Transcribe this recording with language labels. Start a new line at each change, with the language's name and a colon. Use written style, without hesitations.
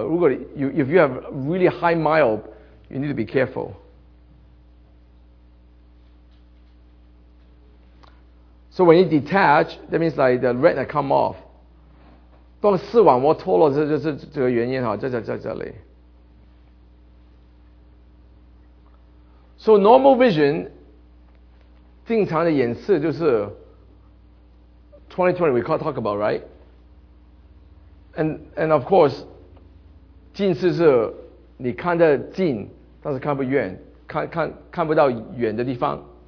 English: 如果 if you have really high myope, you need to be careful. So when you detach, that means like the retina come off.
Chinese: 当视网膜脱落，这个原因哈，在这里。
English: So normal vision,
Chinese: 正常的眼视就是
English: 20/20 we can't talk about, right? And of course,
Chinese: 近视是你看得近，但是看不远，看不到远的地方。